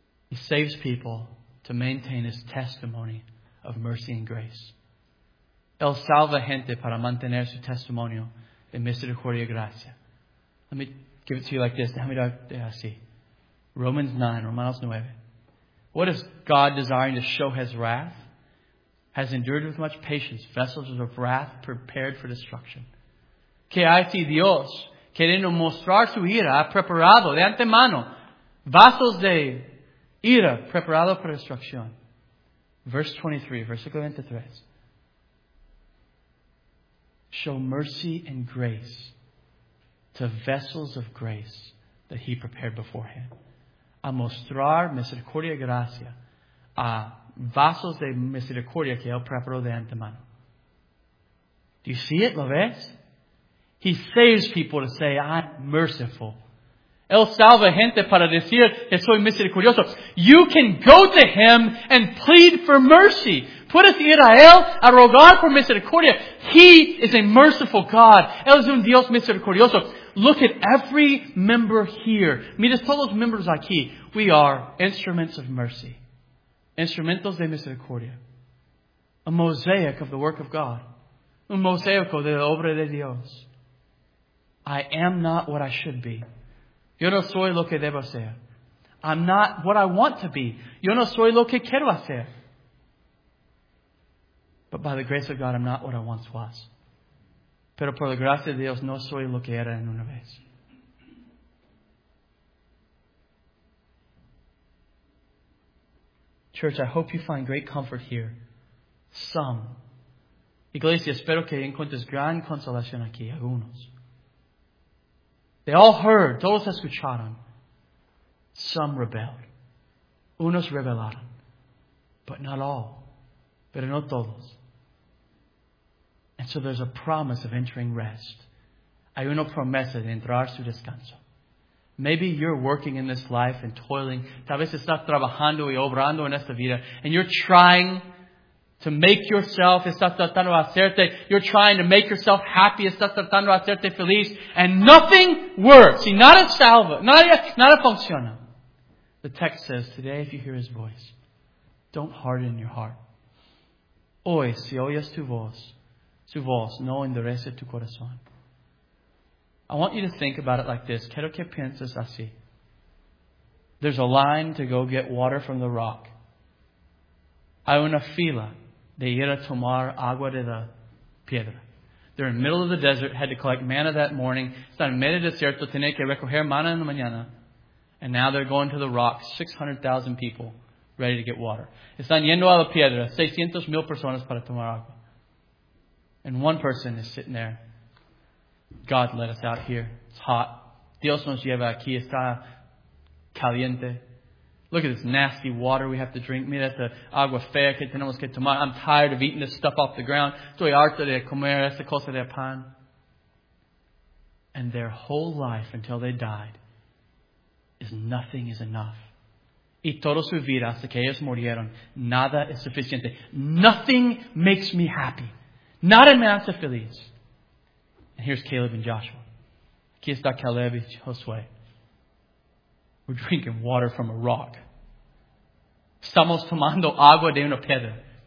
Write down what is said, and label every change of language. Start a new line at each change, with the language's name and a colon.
English: He saves people to maintain his testimony of mercy and grace.
Spanish: Él salva gente para mantener su testimonio de misericordia y gracia.
English: Let me give it to you like this.
Spanish: Déjame darte así.
English: Romanos 9. What is God desiring to show his wrath? Has endured with much patience vessels of wrath prepared for destruction.
Spanish: Que hace Dios queriendo mostrar su ira ha preparado de antemano vasos de ira preparado para destrucción. Versículo 23.
English: Show mercy and grace to vessels of grace that he prepared beforehand.
Spanish: A mostrar misericordia y gracia a vasos de misericordia que él preparó de antemano.
English: Do you see it?
Spanish: ¿Lo ves?
English: He saves people to say, I'm merciful.
Spanish: Él salva gente para decir que soy misericordioso.
English: You can go to him and plead for mercy.
Spanish: Puedes ir a él a rogar por misericordia.
English: He is a merciful God.
Spanish: Él es un Dios misericordioso.
English: Look at every member here.
Spanish: Mira todos los miembros aquí.
English: We are instruments of mercy.
Spanish: Instrumentos de misericordia.
English: A mosaic of the work of God.
Spanish: Un mosaico de la obra de Dios.
English: I am not what I should be.
Spanish: Yo no soy lo que debo ser.
English: I'm not what I want to be.
Spanish: Yo no soy lo que quiero hacer.
English: But by the grace of God, I'm not what I once was.
Spanish: Pero por la gracia de Dios, no soy lo que era en una vez.
English: Church, I hope you find great comfort here.
Spanish: Some. Iglesia, espero que encuentres gran consolación aquí. Algunos.
English: They all heard.
Spanish: Todos escucharon.
English: Some rebelled.
Spanish: Unos rebelaron.
English: But not all.
Spanish: Pero no todos.
English: And so there's a promise of entering rest.
Spanish: Hay una promesa de entrar su descanso.
English: Maybe you're working in this life and toiling.
Spanish: Tal vez estás trabajando y obrando en esta vida.
English: And you're trying to make yourself.
Spanish: Estás tratando de hacerte.
English: You're trying to make yourself happy.
Spanish: Estás tratando de hacerte feliz.
English: And nothing works.
Spanish: Y nada salva. Nada funciona.
English: The text says, today if you hear his voice, don't harden your heart.
Spanish: Hoy, si oyes su voz no endurece tu corazón.
English: I want you to think about it like this.
Spanish: Quiero que pienses así.
English: There's a line to go get water from the rock.
Spanish: Hay una fila de ir a tomar agua de la piedra.
English: They're in the middle of the desert, had to collect manna that morning.
Spanish: Están en medio del desierto, tenían que recoger manna en la mañana.
English: And now they're going to the rock, 600,000 people, ready to get water.
Spanish: Están yendo a la piedra, 600,000 personas para tomar agua.
English: And one person is sitting there. God let us out here. It's hot.
Spanish: Dios nos lleva aquí. Está caliente.
English: Look at this nasty water we have to drink.
Spanish: Mira esta agua fea que tenemos que tomar.
English: I'm tired of eating this stuff off the ground.
Spanish: Estoy harto de comer esta cosa de pan.
English: And their whole life until they died is nothing is enough.
Spanish: Y toda su vida hasta que ellos murieron, nada es suficiente.
English: Nothing makes me happy.
Spanish: Nada me hace feliz.
English: And here's Caleb and Joshua.
Spanish: Aquí está Caleb y Josué.
English: We're drinking water from a rock.
Spanish: Estamos tomando agua de una piedra.